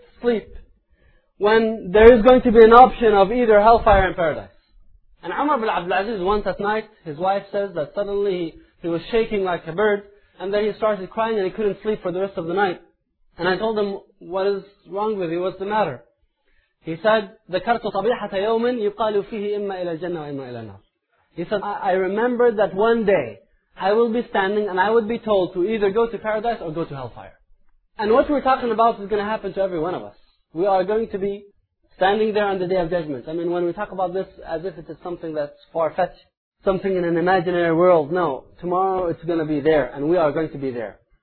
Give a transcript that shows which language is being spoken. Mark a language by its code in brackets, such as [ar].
[en] sleep when there is going to be an option of either hellfire and paradise. And Umar ibn Abdulaziz, once at night, his wife says that suddenly he was shaking like a bird, and then he started crying and he couldn't sleep for the rest of the night. And I told him, what is wrong with you? What's the matter? He said, [ar] ذَكَرْتُ طَبِيحَةَ يَوْمٍ يُقَالُ فِيهِ إِمَّا إِلَى الْجَنَّةِ وَإِمَّا إِلَى النَّارِ. [en] He said, I remember that one day I will be standing and I would be told to either go to paradise or go to hellfire. And what we're talking about is going to happen to every one of us. We are going to be standing there on the Day of Judgment. I mean, when we talk about this as if it is something that's far-fetched, something in an imaginary world, no, tomorrow it's going to be there and we are going to be there.